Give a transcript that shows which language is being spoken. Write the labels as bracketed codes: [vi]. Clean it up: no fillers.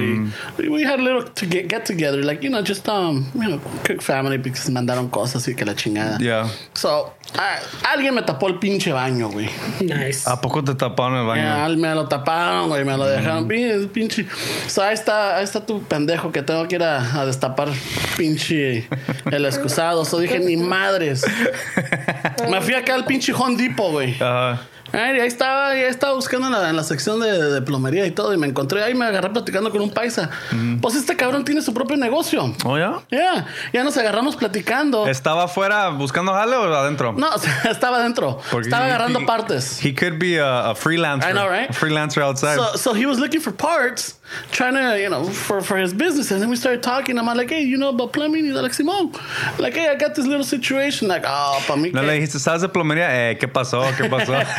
[en] Y we had a little to get together, like, you know, just, cook family, because [es] mandaron cosas y que la chingada. [en] Yeah. [es] So, alguien me tapó el pinche baño, güey. [en] Nice. [es] ¿A poco te taparon el baño? Yeah, me lo taparon, güey, me lo dejaron. Pinche. So, ahí está tu pendejo que tengo que ir a destapar pinche el excusado. So, dije, ni madres. Me fui acá al pinche Home Depot, güey. Ajá. Ahí estaba buscando en la sección de plomería y todo, y me encontré ahí, me agarré platicando con un paisa. Pues este cabrón tiene su propio negocio. ¿Oh, ya? Ya nos agarramos platicando. ¿Estaba afuera buscando jale o adentro? No, estaba adentro. Porque estaba agarrando partes. [en] He could be a freelancer. I know, right? A freelancer outside. So he was looking for parts, trying to, you know, for his business. And then we started talking. I'm like, hey, you know about plumbing? Y de like, Simón. Like, hey, I got this little situation. Like, oh, [es] pa' mí no, le dijiste, ¿sabes de plomería? ¿Qué pasó? ¿Qué pasó?